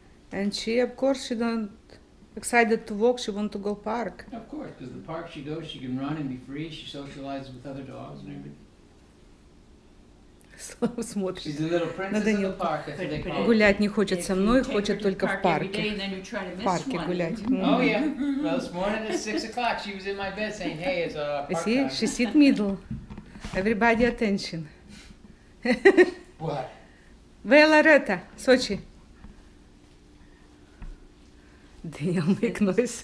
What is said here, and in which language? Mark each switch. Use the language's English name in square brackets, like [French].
[English] And she, of course, she don't excited to walk. She want to go park. Of course, because the park she goes, she can run and be free. She socializes with other dogs and everything. She's a little princess in the park, that's what they call it. [Russian] Гулять не хочет со мной, хочет только в парке. В парке гулять. [English] Oh, yeah. Well, this morning at 6 o'clock, she was in my bed saying, hey, it's a park time. See, she sit middle. Everybody attention. What? Where Loretta? Sochi. Daniel make noise.